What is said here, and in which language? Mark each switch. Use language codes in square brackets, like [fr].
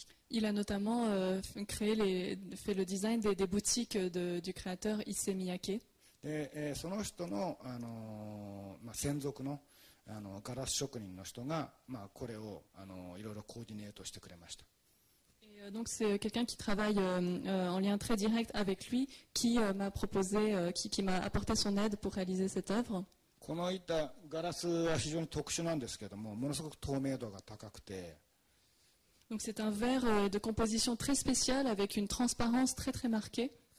[fr] Il a notamment créé les, fait le design des boutiques de, du créateur Issey Miyake. [ja] その人の、あの、まあ、専属の、あの、ガラス職人の人が、まあ、これを、あの、いろいろコーディネートしてくれました。 [fr] Et donc c'est quelqu'un qui travaille en lien très direct avec lui qui m'a proposé qui m'a apporté son aide pour réaliser cette œuvre. [ja] このいったガラスは非常に特殊なんですけども、ものすごく透明度が高くて [fr] Donc c'est un verre de composition très spéciale avec une transparence très très marquée.